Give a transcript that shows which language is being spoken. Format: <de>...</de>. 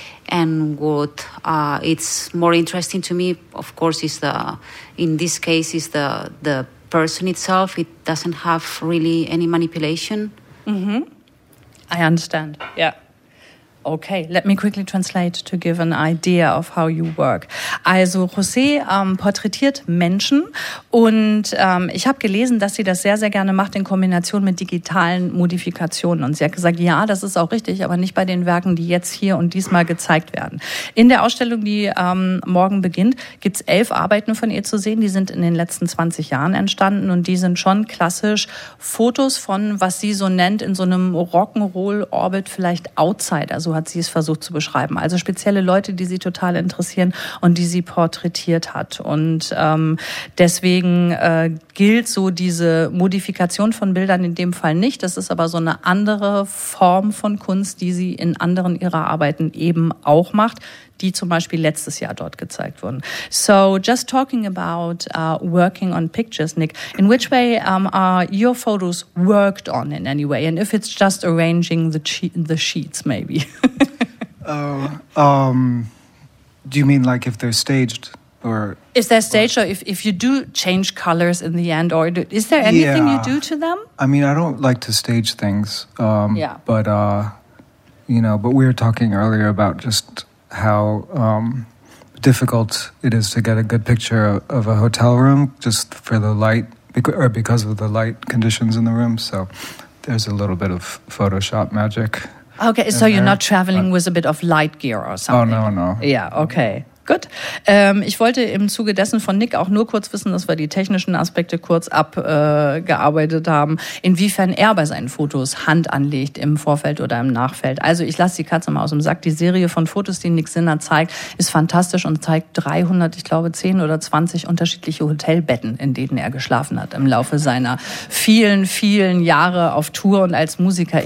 <en>And what it's more interesting to me, of course, is the person itself, it doesn't have really any manipulation. Mm-hmm. I understand. Yeah. Okay, let me quickly translate to give an idea of how you work.</en> <de>Also, José porträtiert Menschen und ich habe gelesen, dass sie das sehr, sehr gerne macht in Kombination mit digitalen Modifikationen. Und sie hat gesagt, ja, das ist auch richtig, aber nicht bei den Werken, die jetzt hier und diesmal gezeigt werden. In der Ausstellung, die morgen beginnt, gibt es 11 Arbeiten von ihr zu sehen. Die sind in den letzten 20 Jahren entstanden und die sind schon klassisch Fotos von, was sie so nennt, in so einem Rock'n'Roll-Orbit vielleicht Outsider. So hat sie es versucht zu beschreiben. Also spezielle Leute, die sie total interessieren und die sie porträtiert hat. Und deswegen gilt so diese Modifikation von Bildern in dem Fall nicht. Das ist aber so eine andere Form von Kunst, die sie in anderen ihrer Arbeiten eben auch macht, die zum Beispiel letztes Jahr dort gezeigt wurden.</de> <en>So, just talking about working on pictures, Nick, in which way are your photos worked on in any way? And if it's just arranging the sheets, maybe? Do you mean like if they're staged? Or is there staged, or if you do change colors in the end, or is there anything you do to them? I mean, I don't like to stage things. But, you know, but we were talking earlier about just how difficult it is to get a good picture of a hotel room just for the light, or because of the light conditions in the room. So there's a little bit of Photoshop magic. Okay, so you're not traveling with a bit of light gear or something? Oh, no. Yeah, okay. Gut.</en> <de>Ich wollte im Zuge dessen von Nick auch nur kurz wissen, dass wir die technischen Aspekte kurz abgearbeitet haben, inwiefern er bei seinen Fotos Hand anlegt im Vorfeld oder im Nachfeld. Also ich lasse die Katze mal aus dem Sack. Die Serie von Fotos, die Nick Sinner zeigt, ist fantastisch und zeigt 300, ich glaube 10 oder 20 unterschiedliche Hotelbetten, in denen er geschlafen hat im Laufe seiner vielen, vielen Jahre auf Tour und als Musiker.</de>